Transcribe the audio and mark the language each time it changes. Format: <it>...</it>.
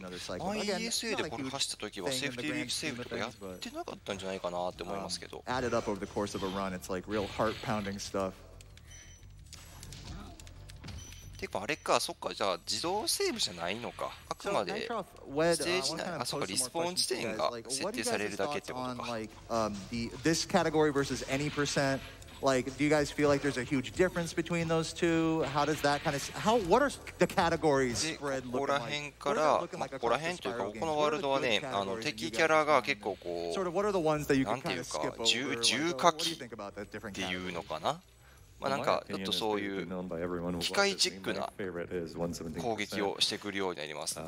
<ja>ISA でこれ走った時はセーフティーセーブとかやってなかったんじゃないかなって思いますけど。</ja> <en>Added up over the course of a run, it's like real heart pounding stuff.</en> <ja>てかあれか、そっか、じゃあ自動セーブじゃないのか、あくまでステージ内、あそっか、リスポーン地点が設定されるだけってことか。</ja> <en>This category versus any percent, like, do you guys feel like there's a huge difference between those two? How does that kind of, how, what are the categories spread looking like?</en> <ja>ここら辺から、まあ、ここら辺というか、ここのワールドはね、敵キャラが結構こう、なんていうか、重火器っていうのかな。まあ、なんかちょっとそういう機械チックな攻撃をしてくるようになります。</ja>